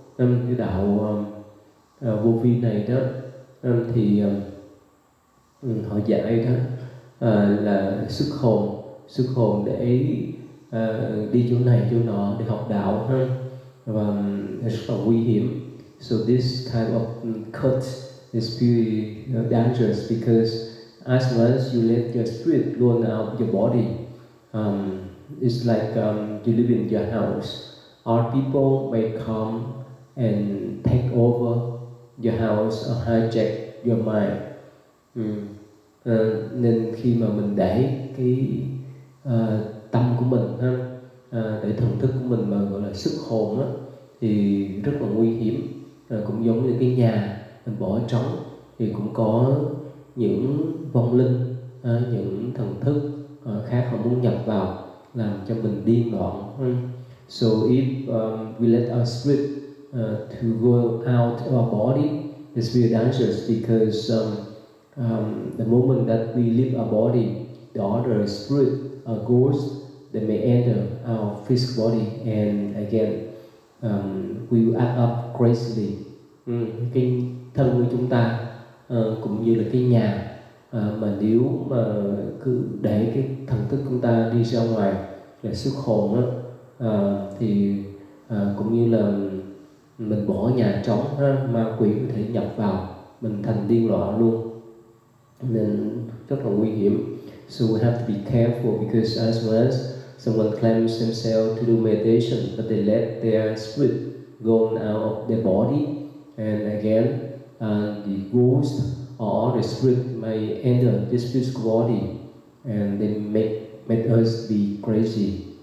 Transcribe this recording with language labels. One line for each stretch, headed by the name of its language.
Vietnamese: Trong cái đạo vô vi này đó thì họ dạy đó là xuất hồn để đi chỗ này chỗ nọ để học đạo ha, và rất là nguy hiểm.
English: So this kind of cult is very dangerous because as long as you let your spirit go out your body, it's like you live in your house. Our people may come and take over your house or hijack your mind.
Vietnamese: Nên khi mà mình để cái tâm của mình ha, để thần thức của mình mà gọi là xuất hồn á, thì rất là nguy hiểm. Cũng giống như cái nhà mình bỏ trống thì cũng có những vong linh, những thần thức khác họ muốn nhập vào làm cho mình điên loạn.
English: So if we let our spirit to go out of our body, it's very dangerous because the moment that we leave our body, the other spirit, a ghost, they may enter our physical body, and again, we will act up crazily.
Vietnamese: Cái thân của chúng ta cũng như là cái nhà, mà nếu mà cứ để cái thần thức chúng ta đi ra ngoài để xuất hồn á, thì cũng như là mình bỏ nhà trống, ma quỷ có thể nhập vào, mình thành điên loạn luôn, nên rất là nguy hiểm.
English: So we have to be careful because as well as someone claims themselves to do meditation, but they let their spirit go out of their body, and again, the ghost or the spirit may enter this physical body, and they make us be crazy.